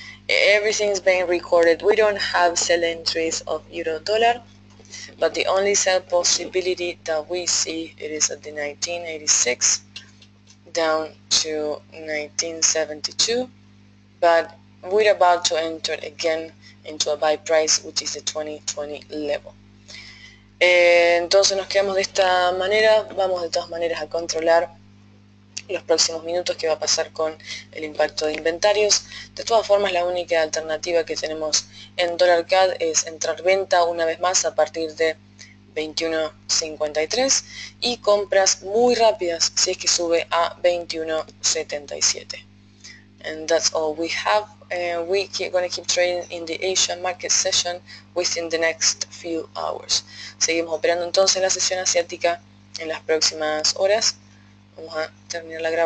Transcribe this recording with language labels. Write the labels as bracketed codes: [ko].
[en] Everything's being recorded. We don't have sell entries of euro dollar, but the only sell possibility that we see, it is at the 1986 down to 1972, but we're about to enter again into a buy price, which is the 2020 level. [es] Entonces nos quedamos de esta manera. Vamos de todas maneras a controlar los próximos minutos qué va a pasar con el impacto de inventarios. De todas formas, la única alternativa que tenemos en DollarCAD es entrar venta una vez más a partir de 21.53 y compras muy rápidas si es que sube a 21.77. [en] And that's all we have. We keep going to keep trading in the Asian market session within the next few hours. [es] Seguimos operando entonces en la sesión asiática en las próximas horas. Vamos a terminar la grabación.